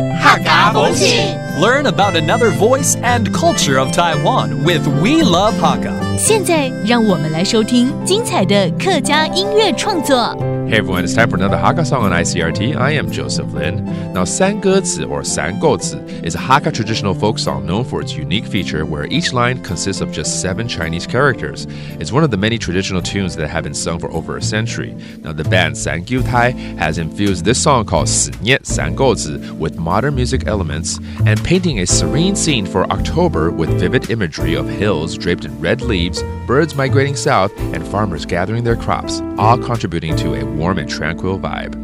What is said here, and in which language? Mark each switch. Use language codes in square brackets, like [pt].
[en] Learn about another voice and culture of Taiwan with We Love Hakka. [zh] 现在让我们来收听精彩的客家音乐创作。 [en] Hey everyone, it's time for another Hakka song on ICRT. I am Joseph Lin. Now, 三歌词 or 三歌词 is a Hakka traditional folk song known for its unique feature where each line consists of just 7 Chinese characters. It's one of the many traditional tunes that have been sung for over a century. Now, the band 三歌词 has infused this song called 思念三歌词 with modern music elements and painting a serene scene for October with vivid imagery of hills draped in red leaves, birds migrating south, and farmers gathering their crops, all contributing to a warm and tranquil vibe.